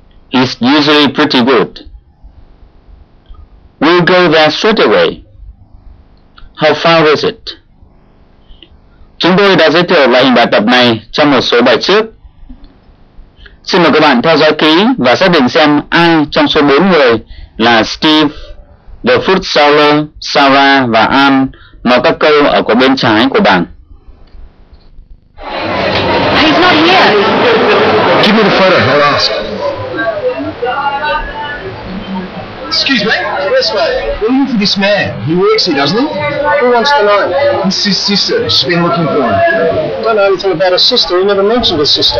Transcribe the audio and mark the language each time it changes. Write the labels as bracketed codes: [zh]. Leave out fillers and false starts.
[en] He's usually pretty good. We'll go there straight away. How far is it? [vi] Chúng tôi đã giới thiệu loại hình bài tập này trong một số bài trước. Xin mời các bạn theo dõi kỹ và xác định xem ai trong số 4 người là Steve, The Food Seller, Sarah và An nói các câu ở cổ bên trái của bảng. [en] He's not here. Give me the photo, I'll ask. Excuse me, this way. We're looking for this man. He works here, doesn't he? Who wants to know? It's his sister. She's been looking for him. I don't know anything about a sister. He never mentioned a sister.